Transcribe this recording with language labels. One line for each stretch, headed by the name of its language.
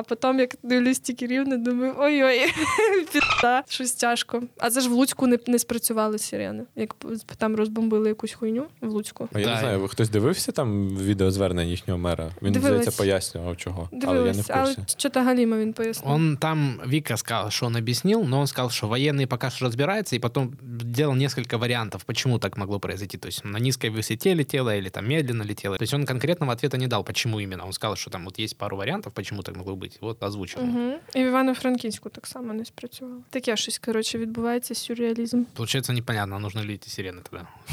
Ukrainian: А потім, як дивлюсь тільки Рівне, думаю, ой-ой, пі***а, щось тяжко. А це ж в Луцьку не спрацювали сирени, як там розбомбили якусь хуйню в Луцьку. А я не знаю, хтось дивився там відео звернення їхнього мера? Він, здається, пояснював, чого. Але что-то Галима він пояснив.
Russian: Он там, Вика сказала, что он объяснил, но он сказал, что военные пока что разбираются, и потом сделал несколько вариантов, почему так могло произойти. То есть на низкой высоте летело или там медленно летело. То есть он конкретного ответа не дал, почему именно. Он сказал, что там вот есть пару вариантов, почему так могло быть. Вот озвучил. Угу.
Ukrainian: И в Івано-Франківську так само не спрацювало. Таке щось, короче, відбувається, сюрреализм.
Russian: Получается непонятно, нужно ли эти сирены тогда.